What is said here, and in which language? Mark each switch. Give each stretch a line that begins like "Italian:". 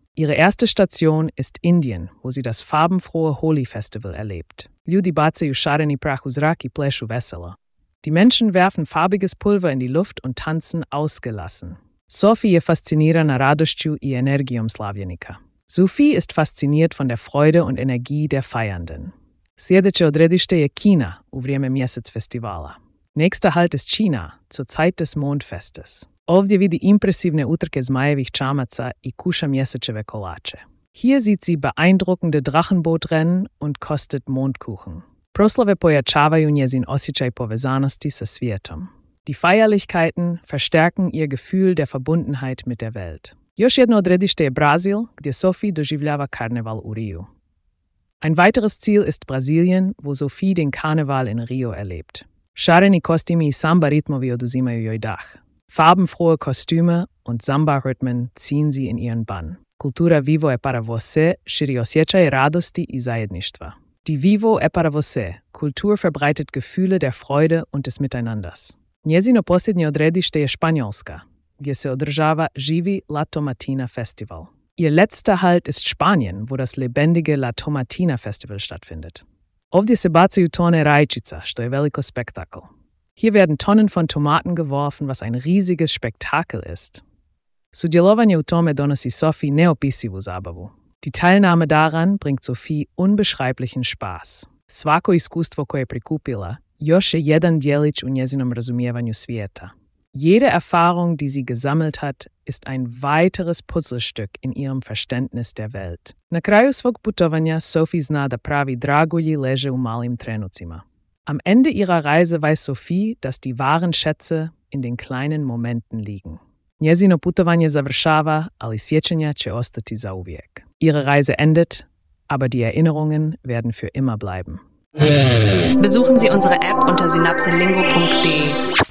German: Ihre erste Station ist Indien, wo sie das farbenfrohe Holi Festival erlebt.
Croatian: Ljudi bacaju šareni prah u zrak i plešu veselo.
German: Die Menschen werfen farbiges Pulver in die Luft und tanzen ausgelassen.
Croatian: Sophie je fascinirana radošću i energijom slavljenika.
German: Sophie ist fasziniert von der Freude und Energie der Feiernden.
Croatian: Sljedeće odredište je Kina u vrijeme mjesec festivala.
German: Nächster Halt ist China, zur Zeit des Mondfestes.
Croatian: Ovdje vidi impresivne utrke zmajevih čamaca i kuša mjesečeve kolače.
German: Hier sieht sie beeindruckende Drachenbootrennen und kostet Mondkuchen.
Croatian: Proslave pojačavaju njezin osjećaj povezanosti sa svijetom.
German: Die Feierlichkeiten verstärken ihr Gefühl der Verbundenheit mit der Welt.
Croatian: Još jedno odredište je Brazil, gdje Sophie doživljava karneval u Rio.
German: Ein weiteres Ziel ist Brasilien, wo Sophie den Karneval in Rio erlebt.
Croatian: Šareni kostimi i samba ritmovi oduzimaju joj dah.
German: Farbenfrohe Kostüme und Samba-Rhythmen ziehen sie in ihren Bann.
Croatian: Cultura Vivo e para você širi osjećaje radosti i zajedništva.
German: Die Vivo e para você, Kultur verbreitet Gefühle der Freude und des Miteinanders.
Croatian: Njezino posljednje odredište je Španjolska, gdje se održava Živi La Tomatina Festival.
German: Ihr letzter Halt ist Spanien, wo das lebendige La Tomatina Festival stattfindet.
Croatian: Ovdje se bacaju tone rajčica, što je veliko spektakl.
German: Hier werden Tonnen von Tomaten geworfen, was ein riesiges Spektakel ist.
Croatian: Sudjelovanje u tome donosi Sophie neopisivu zabavu.
German: Die Teilnahme daran bringt Sophie unbeschreiblichen Spaß.
Croatian: Svako iskustvo koje prikupila, još je jedan djelić u njezinom razumijevanju svijeta.
German: Jede Erfahrung, die sie gesammelt hat, ist ein weiteres Puzzlestück in ihrem Verständnis der Welt.
Croatian: Na kraju svog putovanja, Sophie zna da pravi dragulji leže u malim trenucima.
German: Am Ende ihrer Reise weiß Sophie, dass die wahren Schätze in den kleinen Momenten liegen.
Croatian: Njezino putovanje završava, ali sjećanja će ostati zauvijek.
German: Ihre Reise endet, aber die Erinnerungen werden für immer bleiben. Besuchen Sie unsere App unter synapselingo.de.